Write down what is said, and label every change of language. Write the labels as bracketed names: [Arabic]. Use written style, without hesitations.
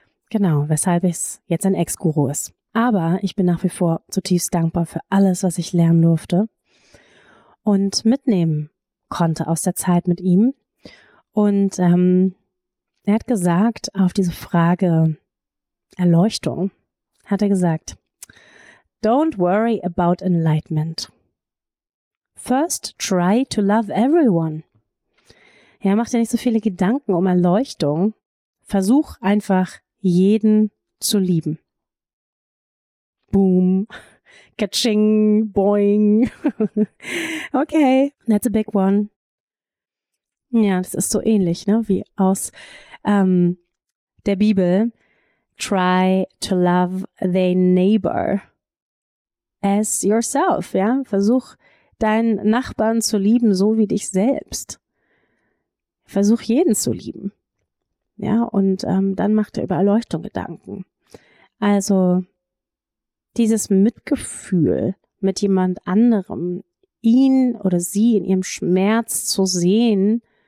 [German] Genau, weshalb ich jetzt ein Ex-Guru ist. Aber ich bin nach wie vor zutiefst dankbar für alles, was ich lernen durfte und mitnehmen konnte aus der Zeit mit ihm. Und er hat gesagt, auf diese Frage Erleuchtung, hat er gesagt, [English] "Don't worry about enlightenment. First, try to love everyone." [German] Ja, mach dir nicht so viele Gedanken um Erleuchtung. Versuch einfach, jeden zu lieben. Boom. Katsching. Boing. [English] Okay, that's a big one. [German] Ja, das ist so ähnlich, ne, wie aus der Bibel. [English] Try to love thy neighbor as yourself. [German] Ja, versuch, deinen Nachbarn zu lieben, so wie dich selbst. Versuch, jeden zu lieben. Ja, und dann macht er über Erleuchtung Gedanken. Also dieses Mitgefühl mit jemand anderem, ihn oder sie in ihrem Schmerz zu sehen,